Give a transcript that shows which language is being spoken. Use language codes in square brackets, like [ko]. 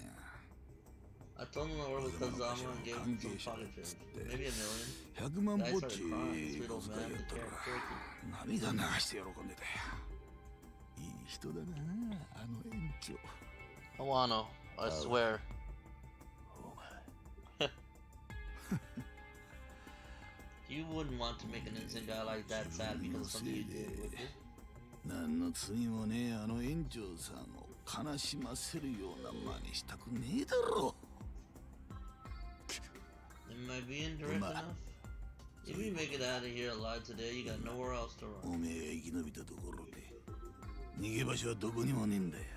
[en] え。 I told him I worked with Kazama and gave him some pocket change. Maybe a million. [ja] 100万ぼっち小遣いやったら涙流して喜んでたよ。いい人だな、あの園長。 [en] Hawano, I swear. [ja] お前。 [en] You wouldn't want to make an innocent guy like that sad because of something you did, would you? [ja] 何の罪もねえ、あの園長さんを悲しませるような真似したくねえだろ。 [en] Am I being direct enough? If we make it out of here alive today, you got nowhere else to run. [ja] おめえが生き延びたところで逃げ場所はどこにもねえんだよ。